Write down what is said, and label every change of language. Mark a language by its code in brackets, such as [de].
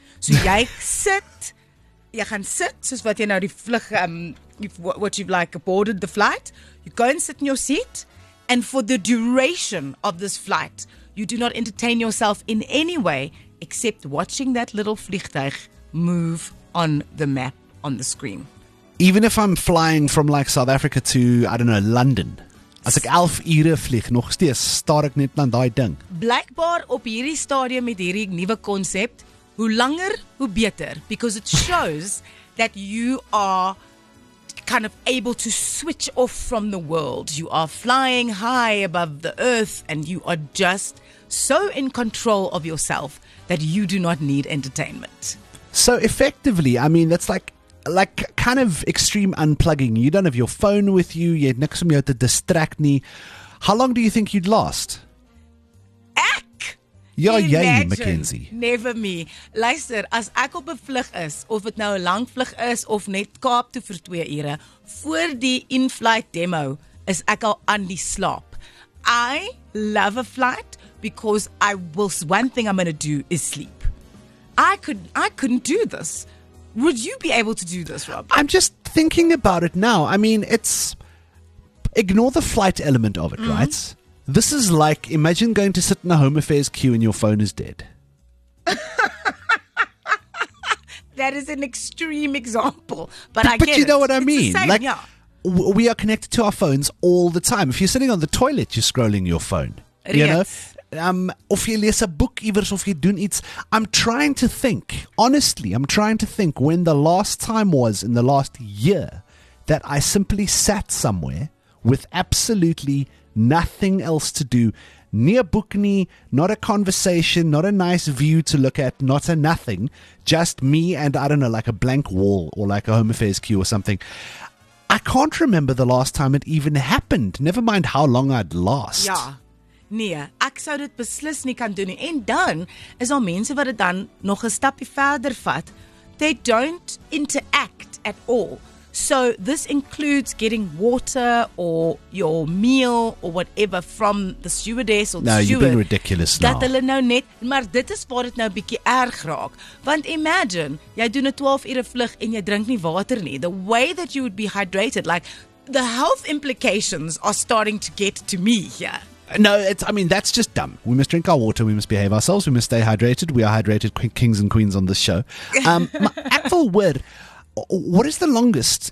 [af] So jy sit, jy gaan sit, soos wat jy nou die vlug, [en] what you've like boarded the flight, you go and sit in your seat, and for the duration of this flight, you do not entertain yourself in any way except watching that little vliegtuig move on the map on the screen. Even if I'm flying from like South Africa to, I don't know, London. [af] As ek 11 ure vlieg, nog steeds staar ek net aan daai ding. Blijkbaar op hierdie stadium met hierdie nuwe concept, hoe langer, hoe beter. [en] Because it shows that you are kind of able to switch off from the world. You are flying high above the earth and you are just so in control of yourself that you do not need entertainment. So effectively, I mean, that's like, kind of extreme unplugging. You don't have your phone with you. You had [af] niks om jou [en] to distract me. How long do you think you'd last? [af] Ek! Ja, jy, Mackenzie. [en] Never me. [af] Luister, as ek op 'n vlug is, of het nou 'n lang vlug is, of net Kaap toe vir 2 ure, voor die in-flight demo, is ek al aan die slaap. [en] I love a flight because I will. One thing I'm going to do is sleep. I couldn't do this. Would you be able to do this, Rob? I'm just thinking about it now. I mean, it's... Ignore the flight element of it, mm-hmm. right? This is like, imagine going to sit in a Home Affairs queue and your phone is dead. That is an extreme example. But I get it. You know what I mean. It's the same, like, yeah. We are connected to our phones all the time. If you're sitting on the toilet, you're scrolling your phone. Reet. You know? [af] Of jy lees 'n boek iewers of jy doen iets. [en] I'm trying to think, honestly, I'm trying to think when the last time was in the last year that I simply sat somewhere with absolutely nothing else to do, [af] nie 'n boek nie, [en] not a conversation, not a nice view to look at, not a nothing, just me and, I don't know, like a blank wall or like a Home Affairs queue or something. I can't remember the last time it even happened, never mind how long I'd last. Yeah. [af] Nee, ek sou dit beslis nie kan doen nie. En dan is daar mense wat dit dan nog 'n stapje verder vat. [en] They don't interact at all. So this includes getting water or your meal or whatever from the stewardess or the steward. No, you've been ridiculous now. [af] Dat hulle nou net, maar dit is waar dit nou 'n bietjie erg raak. Want imagine, jy doen 'n 12-ure vlug en jy drink nie water nie. [en] The way that you would be hydrated, like the health implications are starting to get to me here. No, that's just dumb. We must drink our water, we must behave ourselves, we must stay hydrated. We are hydrated kings and queens on this show. what is the longest?